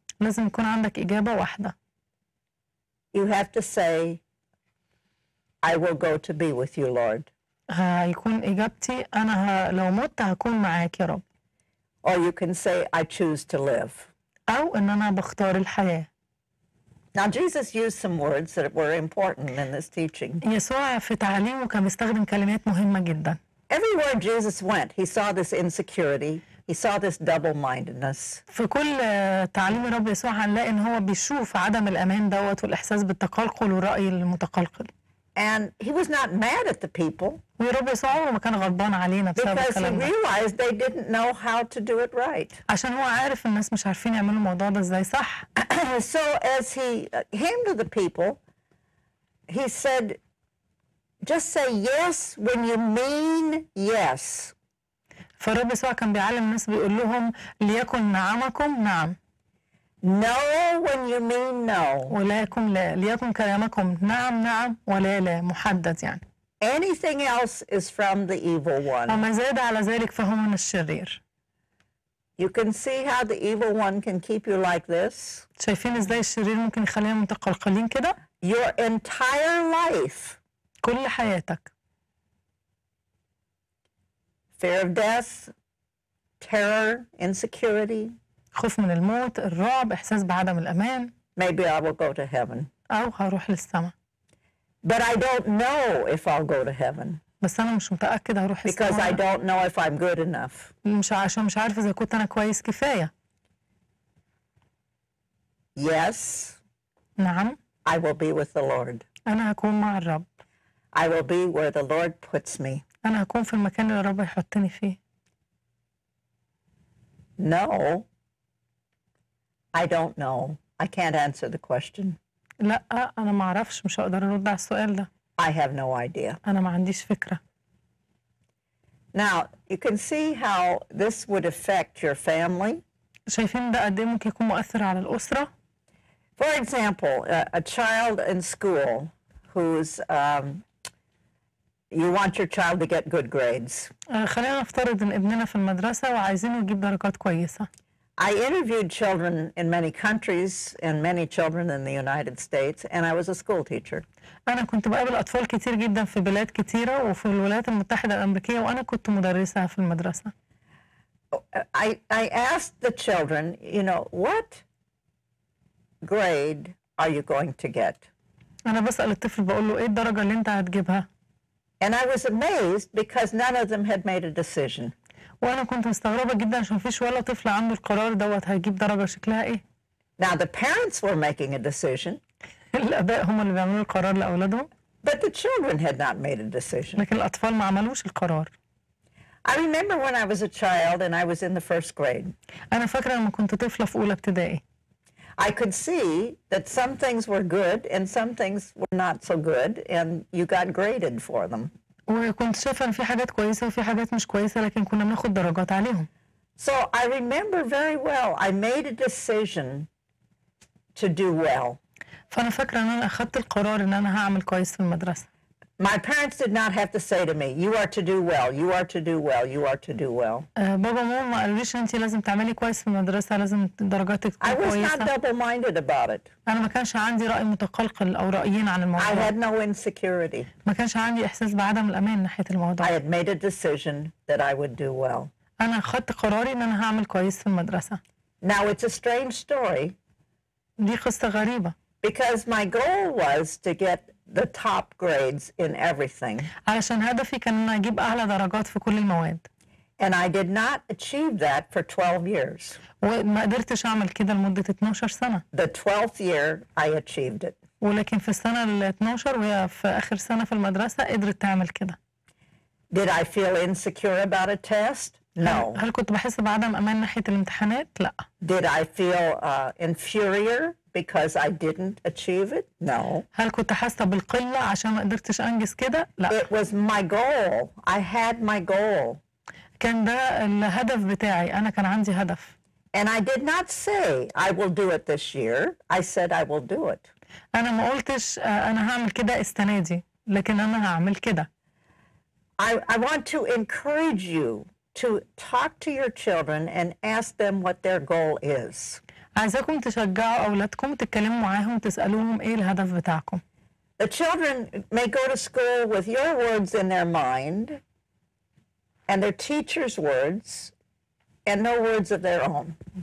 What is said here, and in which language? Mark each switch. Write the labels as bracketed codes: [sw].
[ar] لازم يكون عندك إجابة واحدة. [en] You have to say, I will go to be with you, Lord. [ar] هيكون إجابتي أنا لو مت هكون معاك يا رب. [en] Or you can say, I choose to live. [ar] أو إن أنا بختار الحياة. [en] Now Jesus used some words that were important in this teaching. [ar] يسوع في تعليمه كان بيستخدم كلمات مهمة جدا. [en] Everywhere Jesus went, he saw this insecurity. He saw this double-mindedness. [ar] في كل تعليم الرب يسوع هنلاقي إن هو بيشوف عدم الأمان دوت والإحساس بالتقلقل والرأي المتقلقل. [en] And he was not mad at the people. [ar] ورب يسوع ما كان غضبان علينا بسبب الكلام ده. [en] Because he realized they didn't know how to do it right. [ar] عشان هو عارف الناس مش عارفين يعملوا الموضوع ده ازاي صح. [en] So as he came to the people, he said, just say yes when you mean yes. [ar] فالرب يسوع كان بيعلم الناس بيقول لهم ليكن نعمكم نعم. [en] No when you mean no. [ar] ولكن لا ليكن كلامكم نعم نعم ولا لا محدد يعني. [en] Anything else is from the evil one. [ar] وما زاد على ذلك فهو من الشرير. [en] You can see how the evil one can keep you like this. [ar] شايفين ازاي الشرير ممكن يخلينا متقلقلين كده. [en] Your entire life. [ar] كل حياتك. [en] Fear of death, terror, insecurity. [ar] خوف من الموت، الرعب، إحساس بعدم الأمان. [en] Maybe I will go to heaven. [ar] أو هروح للسماء. [en] But I don't know if I'll go to heaven. [ar] بس أنا مش متأكد هروح للسماء. [en] Because I don't know if I'm good enough. [ar] مش عارف إذا كنت أنا كويس كفاية. [en] Yes. [ar] نعم. [en] I will be with the Lord. [ar] أنا هكون مع الرب. [en] I will be where the Lord puts me. [ar] أنا هكون في المكان اللي الرب يحطني فيه. [en] No. I don't know. I can't answer the question. [ar] لا انا ما اعرفش مش هقدر ارد على السؤال ده. [en] I have no idea. [ar] انا ما عنديش فكره. [en] Now, you can see how this would affect your family. [ar] شايفين ده قد ايه ممكن يكون مؤثر على الاسره. [en] For example, a child in school who's you want your child to get good grades. [ar] خلينا نفترض ان ابننا في المدرسة وعايزينه يجيب درجات كويسة. [en] I interviewed children in many countries and many children in the United States, and I was a school teacher. [ar] أنا كنت بقابل أطفال كتير جدا في بلاد كتيرة وفي الولايات المتحدة الأمريكية وأنا كنت مدرسة في المدرسة. [en] I asked the children, you know, what grade are you going to get? [ar] أنا بسأل الطفل بقول له إيه الدرجة اللي أنت هتجيبها؟ [en] And I was amazed because none of them had made a decision. [ar] وأنا كنت مستغربة جدا عشان مفيش ولا طفل عنده القرار دوت هيجيب درجة شكلها إيه. [en] Now the parents were making a decision. [ar] الآباء هم اللي بيعملوا القرار لأولادهم. [en] But the children had not made a decision. [ar] لكن الأطفال ما عملوش القرار. [en] I remember when I was a child and I was in the first grade. [ar] أنا فاكرة لما كنت طفلة في أولى ابتدائي. [en] I could see that some things were good and some things were not so good and you got graded for them. [ar] وكنت شايفة ان في حاجات كويسة وفي حاجات مش كويسة لكن كنا بناخد درجات عليهم. [en] So I remember very well I made a decision to do well. [ar] فأنا فاكرة ان انا اخدت القرار ان انا هعمل كويس في المدرسة. [en] My parents did not have to say to me, you are to do well, you are to do well, you are to do well. [ar] بابا ماما قال ليش انت لازم تعملي كويس في المدرسة لازم درجاتك تكون كويسة. [en] I was not double-minded about it. [ar] أنا ما كانش عندي رأي متقلقل أو رأيين عن الموضوع. [en] I had no insecurity. [ar] ما كانش عندي إحساس بعدم الأمان ناحية الموضوع. [en] I had made a decision that I would do well. [ar] أنا خدت قراري إن أنا هعمل كويس في المدرسة. [en] Now it's a strange story. [ar] دي قصة غريبة. [en] Because my goal was to get the top grades in everything. [ar] علشان هدفي كان ان اجيب اعلى درجات في كل المواد. [en] And I did not achieve that for 12 years. [ar] وما قدرتش اعمل كده لمدة 12 سنة. [en] The 12th year I achieved it. [ar] ولكن في السنة ال 12 وهي في اخر سنة في المدرسة قدرت تعمل كده. [en] Did I feel insecure about a test? No. [ar] هل كنت بحس بعدم امان ناحية الامتحانات؟ لا. [en] Did I feel inferior because I didn't achieve it? No. [ar] هل كنت حاسة بالقلة عشان ما قدرتش أنجز كده؟ لا. [en] It was my goal. I had my goal. [ar] كان ده الهدف بتاعي. أنا كان عندي هدف. [en] And I did not say I will do it this year. I said I will do it. [ar] أنا ما قلتش أنا هعمل كده السنة دي. لكن أنا هعمل كده. [en] I want to encourage you to talk to your children and ask them what their goal is. [ar] عايزاكم تشجعوا أولادكم تتكلموا معاهم تسألوهم إيه الهدف بتاعكم. [en] The children may go to school with your words in their mind and their teacher's words and no words of their own.